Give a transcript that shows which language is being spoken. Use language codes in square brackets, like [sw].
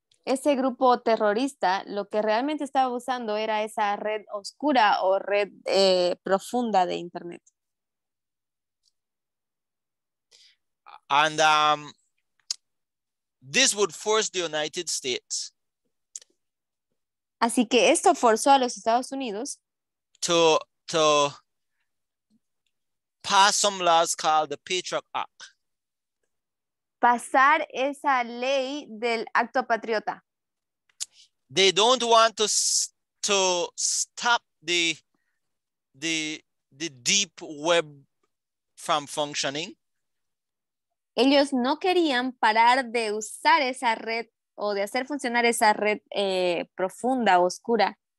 [es] Ese grupo terrorista lo que realmente estaba usando era esa red oscura o red profunda de internet. [en] And this would force the United States. [es] Así que esto forzó a los Estados Unidos [en] to pass some laws called the Patriot Act. [es] Pasar esa ley del acto patriota. [en] They don't want to stop the deep web from functioning. [es] Ellos no querían parar de usar esa red o de hacer funcionar esa red profunda, oscura.